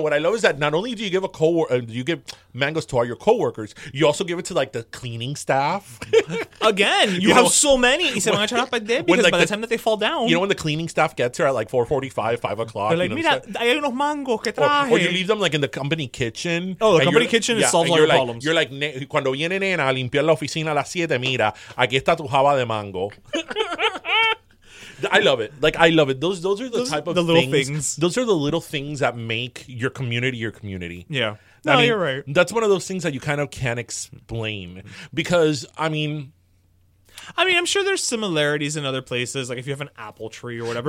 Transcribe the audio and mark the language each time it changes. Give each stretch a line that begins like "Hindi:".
English: What I love is that not only do you give give mangoes to all your coworkers, you also give it to like the cleaning staff. Again, you have know, so many. Y se van a echar a perder because when, like, by the time that they fall down. You know when the cleaning staff gets here at like 4:45, 5 o'clock? They're like, you know,
Spanish: mira, hay unos mangos que traje.
English: Or you leave them like in the company kitchen. Oh, the company kitchen yeah, solves all your problems.
Spanish: You're like, cuando viene nena a limpiar la oficina a las 7, mira, aquí está tu java de mango.
English: I love it. Those are the type of little things. Those are the little things that make your community your community. Yeah. No, you're right. That's one of those things that you kind of can't explain. Because, I mean, I'm sure there's similarities in other places. Like if you have an apple tree or whatever.